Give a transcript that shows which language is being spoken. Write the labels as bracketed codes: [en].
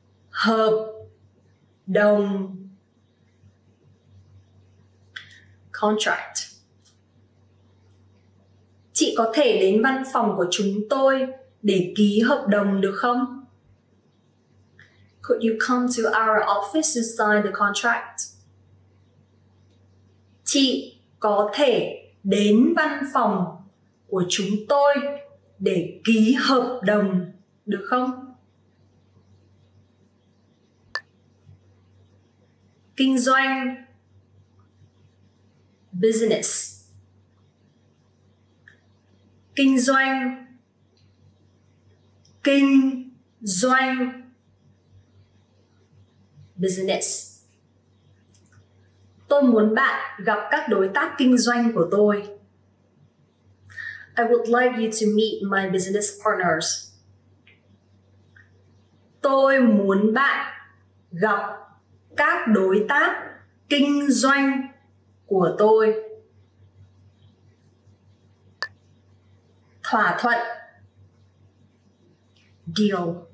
[vi] Hợp đồng. [en] Contract. [vi] Chị có thể đến văn phòng của chúng tôi để ký hợp đồng được không? [en] Could you come to our office to sign the contract? [vi] Chị có thể đến văn phòng của chúng tôi để ký hợp đồng được không? Kinh doanh, business. Kinh doanh, kinh doanh, business. Tôi muốn bạn gặp các đối tác kinh doanh của tôi. [en] I would like you to meet my business partners. [vi] Tôi muốn bạn gặp các đối tác kinh doanh của tôi. Thỏa thuận. [en] Deal.